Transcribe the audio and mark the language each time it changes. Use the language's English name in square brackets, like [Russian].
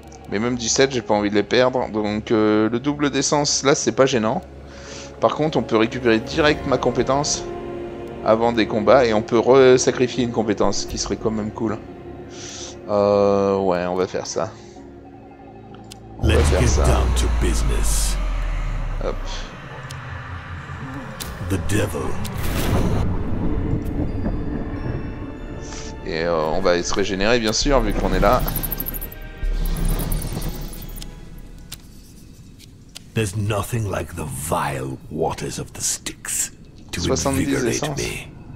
[French] Mais même 17, j'ai pas envie de les perdre. Donc le double d'essence, là, c'est pas gênant. Par contre, on peut récupérer direct ma compétence avant des combats. Et on peut re-sacrifier une compétence, ce qui serait quand même cool. Ouais, on va faire ça. [English] Let's get down to business. Hop. The devil. [French] Et on va se régénérer, bien sûr, vu qu'on est là. [English] There's nothing like the vile waters of the Styx to invigorate me.